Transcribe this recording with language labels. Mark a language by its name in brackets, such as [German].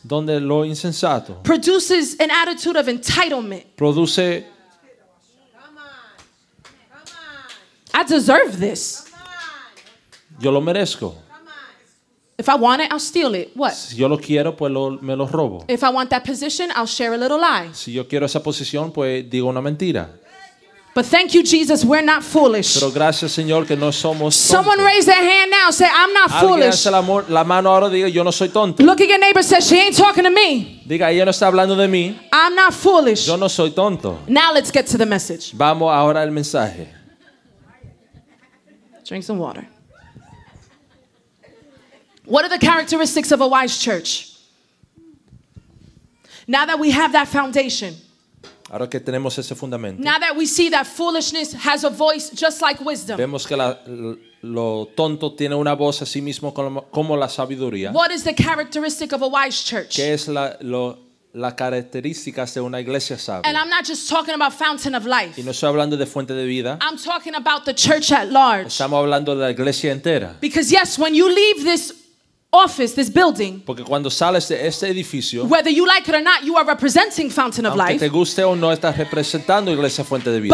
[Spanish] donde lo insensato [English] produces an attitude of entitlement. [Spanish] Produce. [English] I deserve this. [Spanish] Yo lo merezco. [English] If I want it, I'll steal it. What? [Spanish] Si yo lo quiero, pues me lo robo. [English] If I want that position, I'll share a little lie. [Spanish] Si yo quiero esa posición, pues digo una mentira. [English] But thank you, Jesus, we're not foolish. [Spanish] Pero gracias, Señor, que no somos tontos. [English] Someone raise their hand now and say, I'm not foolish. [Spanish] Alguien hace la mano ahora, diga, yo no soy tonto. [English] Look at your neighbor and say, she ain't talking to me. [Spanish] Diga, ella no está hablando de mí. [English] I'm not foolish. [Spanish] Yo no soy tonto. [English] Now let's get to the message. [Spanish] Vamos ahora al mensaje. [English] Drink some water. What are the characteristics of a wise church? Now that we have that foundation. [Spanish] Ahora que tenemos ese fundamento. [English] Now that we see that foolishness has a voice just like wisdom. [Spanish] Vemos que lo tonto tiene una voz así mismo como la sabiduría. [English] What is the characteristic of a wise church? [Spanish] ¿Qué es las características de una iglesia sabia? [English] And I'm not just talking about fountain of life. [Spanish] Y no estoy hablando de fuente de vida. [English] I'm talking about the church at large. [Spanish] Estamos hablando de la iglesia entera. [English] Because yes, when you leave this office, this building, [Spanish] porque cuando sales de este edificio, [English] whether you like it or not, you are representing Fountain of Life. [Spanish] Aunque te guste o no, estás representando Iglesia Fuente de Vida.